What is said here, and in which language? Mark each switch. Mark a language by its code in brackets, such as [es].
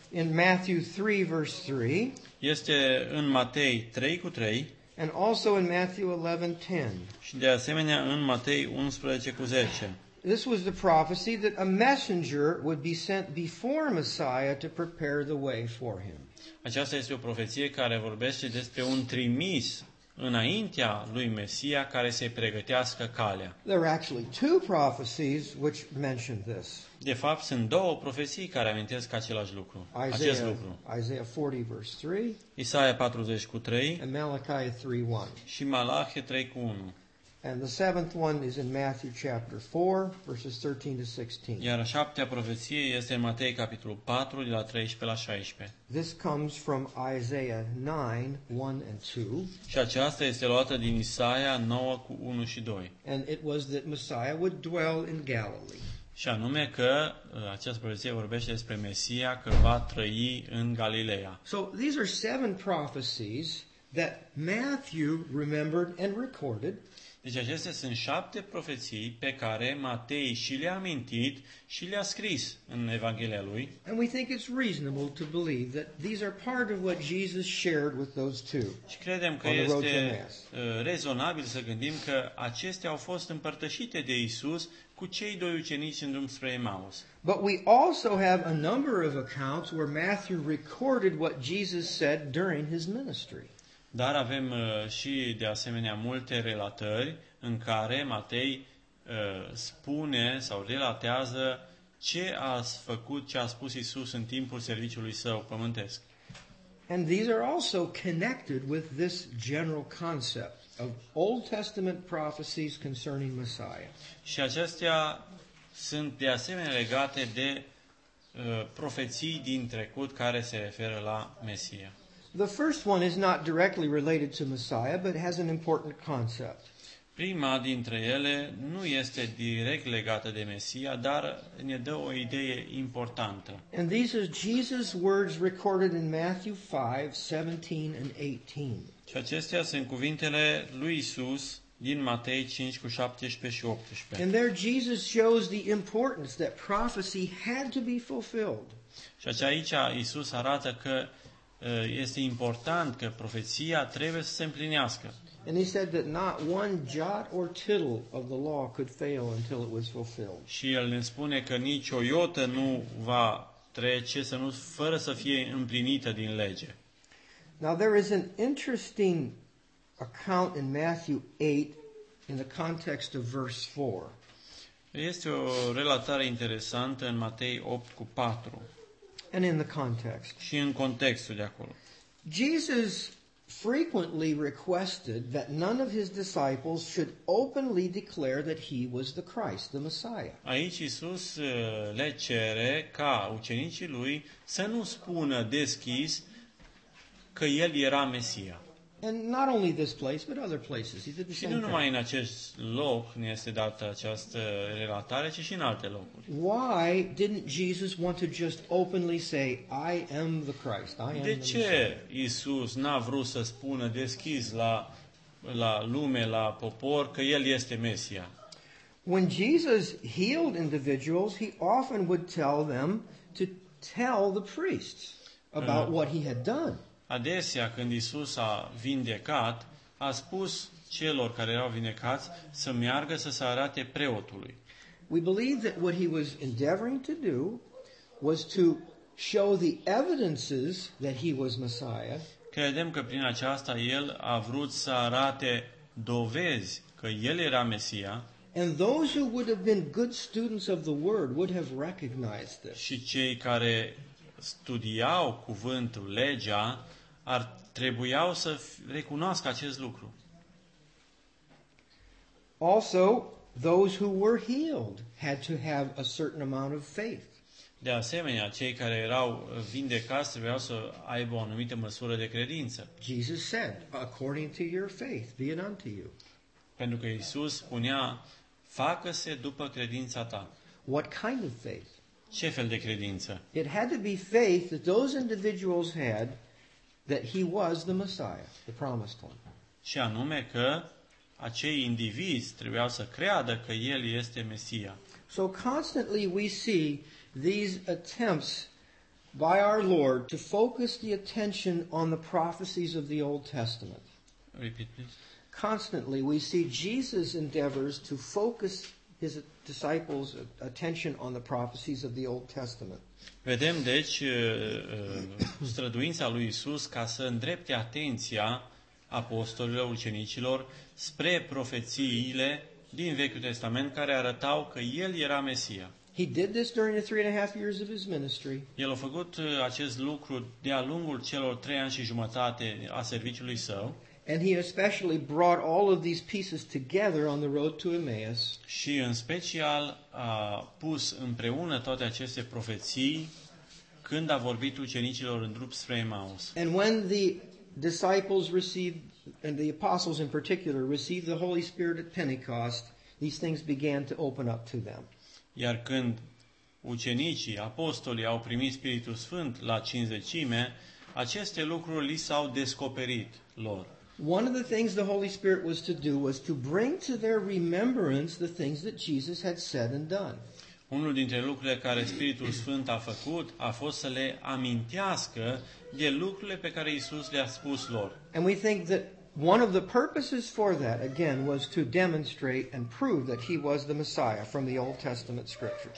[en] in Matthew 3 verse 3. [ro] Este în Matei 3:3. [en] And also in Matthew 11:10. [ro] Și de asemenea în Matei 11:10. [en] This was the prophecy that a messenger would be sent before Messiah to prepare the way for him. [ro] Aceasta este o profeție care vorbește despre un trimis înaintea lui Mesia care se pregătească calea. [en] There are actually two prophecies which mention this. [ro] De fapt, sunt două profeții care amintesc același lucru. Acest lucru. [en] Isaiah 40 verse 3. [ro] Isaia 40:3. [en] And Malachi 3:1. [ro] Și Malachi 3:1. [en] And the seventh one is in Matthew chapter 4 verses 13 to 16. [ro] Iar a șaptea profeție este în Matei capitolul 4 de la 13 la 16. [en] This comes from Isaiah 9:1-2. [ro] Și aceasta este luată din Isaia 9:1-2. [en] And it was that Messiah would dwell in Galilee. [ro] Și anume că această profeție vorbește despre Mesia că va trăi în Galileea. [en] So these are seven prophecies that Matthew remembered and recorded. [ro] Deci acestea sunt șapte profeții pe care Matei și le-a amintit și le-a scris în Evanghelia lui. [en] And we think it's reasonable to believe that these are part of what Jesus shared with those two. [ro] Și credem că este rezonabil să gândim că acestea au fost împărtășite de Iisus cu cei doi ucenici în drum spre Emaus. [en] But we also have a number of accounts where Matthew recorded what Jesus said during his ministry. [ro] Dar avem și de asemenea multe relatări în care Matei spune sau relatează ce a făcut, ce a spus Iisus în timpul serviciului său pământesc. [en] And these are also connected with this general concept. of Old Testament prophecies concerning Messiah. [ro] Și acestea sunt de asemenea legate de profeții din trecut care se referă la Mesia. [en] The first one is not directly related to Messiah, but has an important concept. [ro] Prima dintre ele nu este direct legată de Mesia, dar ne dă o idee importantă. [en] And these are Jesus' words recorded in Matthew 5, 17 and 18. [ro] Și acestea sunt cuvintele lui Isus din Matei 5 cu 17 și 18. [en] And there Jesus shows the importance that prophecy had to be fulfilled. [ro] Și aici Isus arată că este important că profeția trebuie să se împlinească. [en] And he said that not one jot or tittle of the law could fail until it was fulfilled. [ro] Și el ne spune că nici o iotă nu va trece să nu fără să fie împlinită din lege. [en] Now there is an interesting account in Matthew 8 in the context of verse 4. [ro] Este o relatare interesantă în Matei 8 cu 4. [en] And in the context. [ro] Și în contextul de acolo. [en] Jesus frequently requested that none of his disciples should openly declare that he was the Christ, the Messiah. [ro] Aici Iisus le cere ca ucenicii lui să nu spună deschis că el era Mesia. [en] And not only this place, but other places. He did the same thing. [ro] Și nu numai în acest loc ne este dată această relatare, ci și în alte locuri. [en] Why didn't Jesus want to just openly say, I am the Christ, I am the Messiah? [ro] De ce Iisus n-a vrut să spună deschis la lume, la popor, că El este Mesia? [en] When Jesus healed individuals, he often would tell them to tell the priests about what he had done. [ro] Adesea, când Iisus a vindecat, a spus celor care erau vindecați să meargă să se arate preotului. [en] We believe that what he was endeavoring to do was to show the evidences that he was Messiah. [ro] Credem că prin aceasta el a vrut să arate dovezi că el era Mesia. [en] And those who would have been good students of the word would have recognized this. [ro] Și cei care studiau cuvântul, legea, ar trebuiau să recunoască acest lucru. [en] Also, those who were healed had to have a certain amount of faith. [ro] De asemenea, cei care erau vindecați trebuiau să aibă o anumită măsură de credință. [en] Jesus said, according to your faith, be it unto you. [ro] Pentru că Iisus spunea, facă-se după credința ta. [en] What kind of faith? [ro] Ce fel de credință? [en] It had to be faith that those individuals had that he was the Messiah, the promised one. [ro] Și anume că acei indivizi trebuiau să creadă că el este Mesia. [en] So constantly we see these attempts by our Lord to focus the attention on the prophecies of the Old Testament. Repeat, please. Constantly we see Jesus' endeavors to focus his disciples' attention on the prophecies of the Old Testament. [ro] Vedem, deci, străduința lui Iisus ca să îndrepte atenția apostolilor, ucenicilor, spre profețiile din Vechiul Testament care arătau că El era Mesia. [en] He did this during the 3.5 years of his ministry. [ro] El a făcut acest lucru de-a lungul celor 3 ani și jumătate a serviciului său. [en] And he especially brought all of these pieces together on the road to Emmaus. [ro] Și în special a pus împreună toate aceste profeții când a vorbit ucenicilor în drum spre Emmaus. [en] And when the disciples received, and the apostles in particular, received the Holy Spirit at Pentecost, these things began to open up to them. [ro] Iar când ucenicii, apostolii, au primit Spiritul Sfânt la cinzecime, aceste lucruri li s-au descoperit lor. [en] One of the things the Holy Spirit was to do was to bring to their remembrance the things that Jesus had said and done. [ro] Unul dintre lucrurile care Spiritul Sfânt a făcut a fost să le amintească de lucrurile pe care Iisus le-a spus lor. [en] And we think that one of the purposes for that, again, was to demonstrate and prove that he was the Messiah from the Old Testament scriptures.